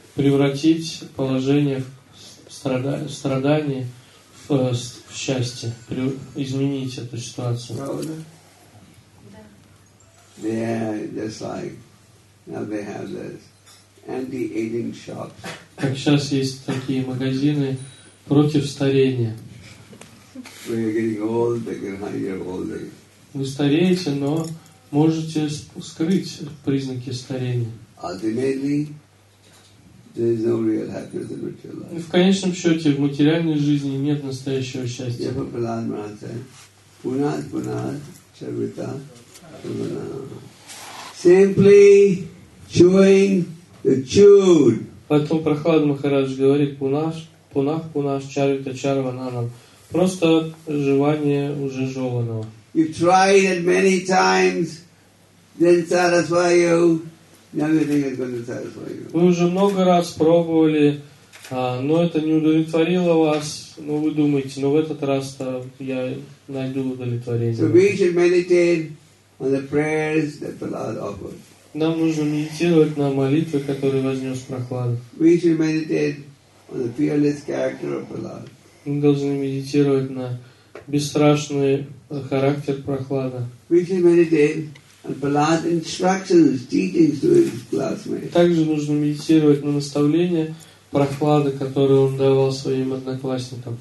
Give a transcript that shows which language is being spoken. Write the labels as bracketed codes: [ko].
[ru] Превратить положение страдания в счастье. Изменить эту ситуацию. Правда? Да. [en] Yeah, just like now they have those anti-aging shops. [ru] Как сейчас есть такие магазины против старения. [en] Where you're getting old, they can hide your old age. [ru] Вы стареете, но можете скрыть признаки старения. [en] Ultimately, there is no real happiness in material life. [ru] В конечном счете, в материальной жизни нет настоящего счастья. [en] Therefore, Prahlad Maharaj said, [sa] "Punat, punat, charita, punana." [en] Simply chewing the chewed. [ru] Поэтому Прахлад Махарадж говорит: [sa] "Пунаш, пунах, пунаш, чарита, чарвананам." [ru] Просто жевание уже жеванного. [en] You've tried it many times, didn't satisfy you. Now you think it's going to satisfy you. [ru] Вы уже много раз пробовали, но это не удовлетворило вас. Но вы думаете, но в этот раз-то я найду удовлетворение. [en] So we should meditate on the prayers that Prahlad offered. [ru] Нам нужно медитировать на молитвы, которые вознес Прахлад. [en] We should meditate on the fearless character of Prahlad. [ru] Мы должны медитировать на бесстрашный характер Прахлада. [en] We should meditate on Prahlad's instructions, teachings to his classmates. [ru] Также нужно медитировать на наставления Прахлада, которые он давал своим одноклассникам.